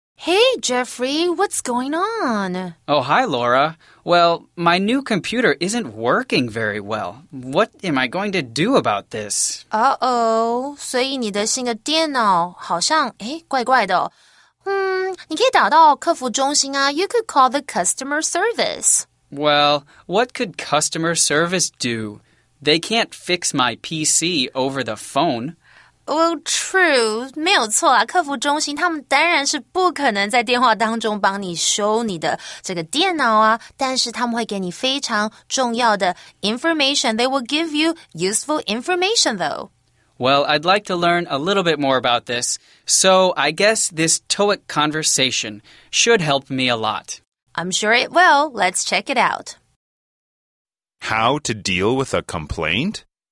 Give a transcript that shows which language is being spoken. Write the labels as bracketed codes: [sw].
[en] Hey, Jeffrey, what's going on? Oh, hi, Laura. Well, my new computer isn't working very well. What am I going to do about this? [zh] Uh-oh, 所以你的新的电脑好像，诶，怪怪的。你可以打到客服中心啊。 [en] You could call the customer service. Well, what could customer service do? They can't fix my PC over the phone. Well, true, [zh] 没有错啊，客服中心他们当然是不可能在电话当中帮你修你的这个电脑啊，但是他们会给你非常重要的 information. [en] They will give you useful information, though. Well, I'd like to learn a little bit more about this. So, I guess this TOEIC conversation should help me a lot. I'm sure it will. Let's check it out. How to deal with a complaint?